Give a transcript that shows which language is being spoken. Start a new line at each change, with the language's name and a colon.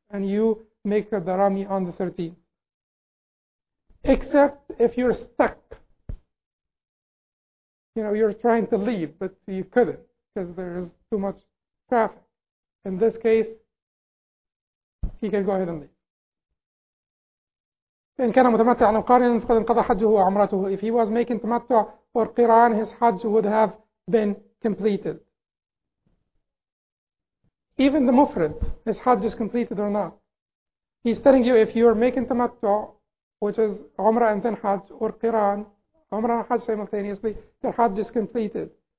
English: And you make the Rami on the 13th. Except if you're stuck. You know, you're trying to leave, but you couldn't, because there is too much traffic. In this case, he can go ahead and leave.
Arabic: إن كان متمتع أو قارن فقد انقضى حجه وعمرته.
English: If he was making tamattu or qiran, his hajj would have been completed. Even the mufrid, his hajj is completed or not. He's telling you, if you are making tamattu, which is umrah and then hajj, or qiran, umrah and hajj simultaneously, your hajj is completed.